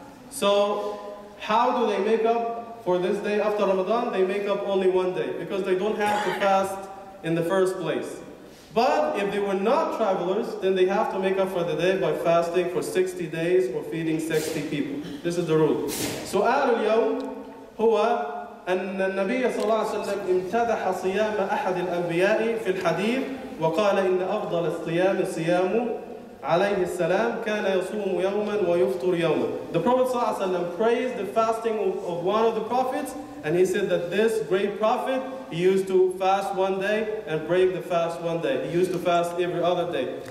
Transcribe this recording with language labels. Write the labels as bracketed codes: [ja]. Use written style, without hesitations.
[en] So how do they make up for this day after Ramadan? They make up only one day because they don't have to fast in the first place. But if they were not travelers, then they have to make up for the day by fasting for 60 days or feeding 60 people. This is the rule. [ar] So آل اليوم هو أن النبي صلى الله عليه وسلم امتدح صيام أحد الأنبياء في الحديث وقال إن أفضل الصيام صيام عليه السلام كان يصوم يوما ويفطر يوما. [en] The Prophet صلى الله عليه وسلم praised the fasting of one of the prophets, and he said that this great prophet, he used to fast one day and break the fast one day. He used to fast every other day.